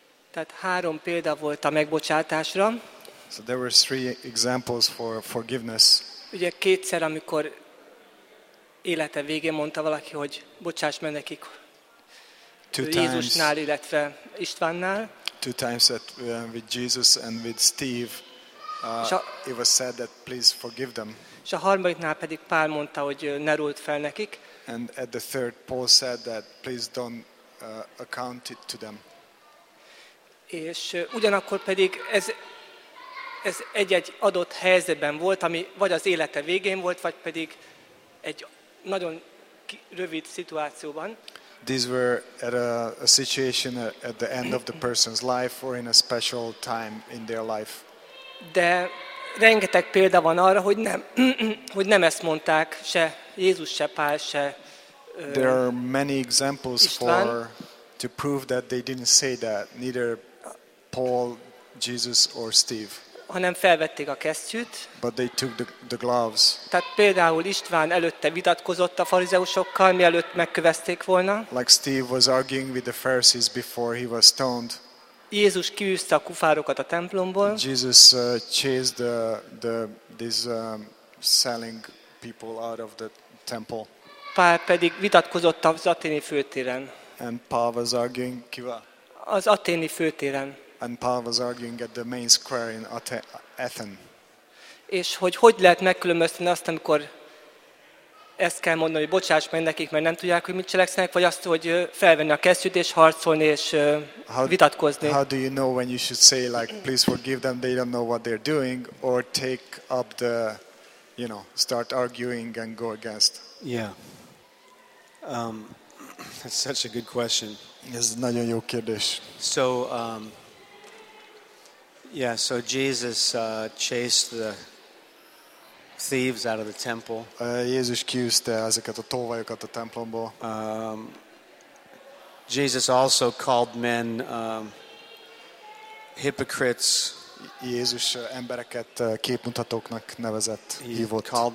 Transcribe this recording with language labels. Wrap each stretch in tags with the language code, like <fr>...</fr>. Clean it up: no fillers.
<hu>Tehát három példa volt a megbocsátásra.</hu> <en>So there were three examples for forgiveness.</en> <hu>Ugye kétszer, amikor élete végén mondta valaki, hogy bocsáss meg nekik. Jézusnál, illetve Istvánnál.</hu> <en>Two times that with Jesus and with Steve, it was said that please forgive them.</en> <hu>És a harmadiknál pedig Pál mondta, hogy ne rúld fel nekik.</hu> <en>And at the third, Paul said that please don't account it to them.</en> <hu>És ugyanakkor pedig ez egy-egy adott helyzetben volt, ami vagy az élete végén volt, vagy pedig egy nagyon rövid szituációban.</hu> <en>These were at a situation at the end of the person's life or in a special time in their life.</en> <hu>De rengeteg példa van arra, hogy nem hogy nem ezt mondták se Jézus, se Pál, se István.</hu> <en>There are many examples for to prove that they didn't say that, neither Paul, Jesus or Steve.</en> <hu>Hanem felvették a kesztyűt.</hu> <en>But they took the gloves.</en> <hu>Tehát például István előtte vitatkozott a farizeusokkal, mielőtt megkövezték volna.</hu> <en>Like Steve was arguing with the Pharisees before he was stoned.</en> <hu>Jézus kiűzte a kufárokat a templomból.</hu> <en>Jesus chased these selling people out of the temple.</en> <hu>Pál pedig vitatkozott az athéni főtéren.</hu> <en>And Paul was arguing</en> <hu>kivel? Az athéni főtéren.</hu> <en>And Paul was arguing at the main square in Athens.</en> <hu>És hogy lehet megkülönböztetni azt, amikor ezt kell mondani, hogy bocsáss meg nekik, mert nem tudják, hogy mit cselekszenek, vagy azt, hogy felvenni a kesztyűt és harcolni és vitatkozni.</hu> <en>How do you know when you should say like please forgive them, they don't know what they're doing, or take up the, you know, start arguing and go against? Yeah. That's such a good question.</en> <hu>Ez nagyon jó kérdés.</hu> <en>So yeah, so Jesus chased the thieves out of the temple.</en> <hu>Jézus kiűzte ezeket a tolvajokat a templomból.</hu> <en>Jesus also called men hypocrites.</en> <hu>Jézus embereket képmutatóknak nevezett, hívott.</hu>